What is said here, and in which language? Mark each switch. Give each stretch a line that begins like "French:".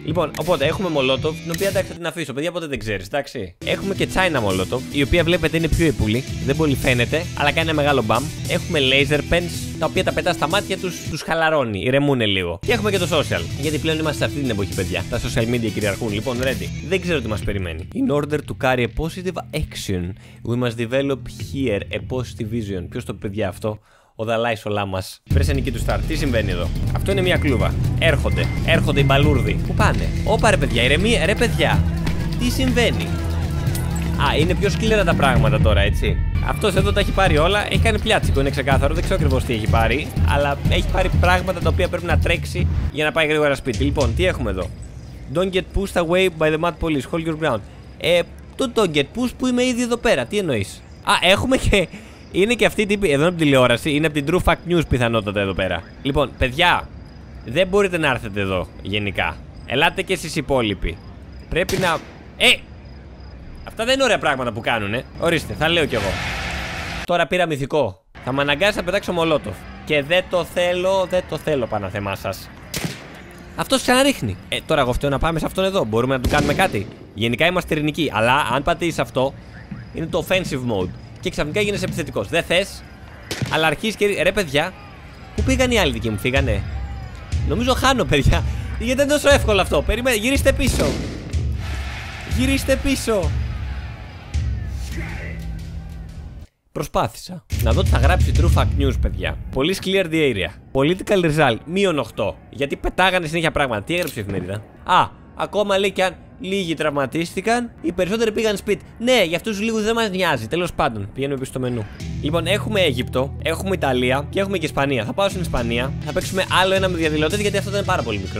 Greek: Λοιπόν, οπότε έχουμε μολότοφ, την οποία εντάξει θα την αφήσω, παιδιά, ποτέ δεν ξέρεις, εντάξει. Έχουμε και τσάι ένα μολότοφ, η οποία βλέπετε είναι πιο υπουλή. Δεν πολύ φαίνεται, αλλά κάνει ένα μεγάλο μπαμ. Έχουμε laser pens, τα οποία τα πετάς στα μάτια τους, τους χαλαρώνει, ηρεμούνε λίγο. Και έχουμε και το social, γιατί πλέον είμαστε σε αυτή την εποχή, παιδιά. Τα social media κυριαρχούν, λοιπόν, ready. Δεν ξέρω τι μας περιμένει.
English: In order to carry a positive action, we must develop here a positive vision.
Greek: Ποιος το παιδιά αυτό? Ο Δαλάης ο Λάμας. Βρες ένα νική του Σταρ. Τι συμβαίνει εδώ? Αυτό είναι μια κλούβα. Έρχονται οι μπαλούρδοι. Πού πάνε? Όπα ρε παιδιά, ηρεμία. Ρε παιδιά, τι συμβαίνει? Α, είναι πιο σκληρά τα πράγματα τώρα, έτσι. Αυτός εδώ τα έχει πάρει όλα. Έχει κάνει πλιάτσικο, είναι ξεκάθαρο. Δεν ξέρω ακριβώς τι έχει πάρει. Αλλά έχει πάρει πράγματα τα οποία πρέπει να τρέξει για να πάει γρήγορα σπίτι. Λοιπόν, τι έχουμε εδώ?
English: Don't get pushed away by the mad police. Hold your ground.
Greek: Το
English: don't get pushed
Greek: που είμαι ήδη εδώ πέρα. Τι εννοείς? Α, έχουμε και. Είναι και αυτή η τύπη, εδώ είναι από την τηλεόραση, είναι από την True Fact News πιθανότατα εδώ πέρα. Λοιπόν, παιδιά, δεν μπορείτε να έρθετε εδώ γενικά. Ελάτε και εσείς υπόλοιποι. Πρέπει να... Αυτά δεν είναι ωραία πράγματα που κάνουνε. Ορίστε, θα λέω κι εγώ. Τώρα πήρα μυθικό. Θα με αναγκάσει να πετάξω μολότοφ. Και δεν το θέλω, παναθέμά σας. Αυτός ξαναρίχνει. Τώρα εγώ φταίω να πάμε σε αυτόν εδώ. Μπορούμε να του κάνουμε κάτι. Γενικά είμαστε ειρηνικοί, αλλά αν πατήσει αυτό, είναι το offensive mode. Και ξαφνικά γίνεις επιθετικός. Δεν θες, αλλά αρχίζεις και. Ρε παιδιά, πού πήγαν οι άλλοι δικοί μου, φύγανε? Νομίζω χάνω, παιδιά. Γιατί δεν είναι τόσο εύκολο αυτό. Περιμένετε, γυρίστε πίσω. Προσπάθησα. Να δω τι θα γράψει True Fact News, παιδιά.
English: Police cleared the area. Political result,
Greek: μείον 8. Γιατί πετάγανε συνέχεια πράγματα. Τι έγραψε η εφημερίδα? Α, ακόμα λέει και αν. Λίγοι τραυματίστηκαν, οι περισσότεροι πήγαν σπίτι. Ναι, για αυτούς λίγους δεν μας νοιάζει. Τέλος πάντων, πηγαίνουμε πίσω στο μενού. Λοιπόν, έχουμε Αίγυπτο, έχουμε Ιταλία και έχουμε και Ισπανία. Θα πάω στην Ισπανία, θα παίξουμε άλλο ένα με διαδηλωτές γιατί αυτό ήταν πάρα πολύ μικρό.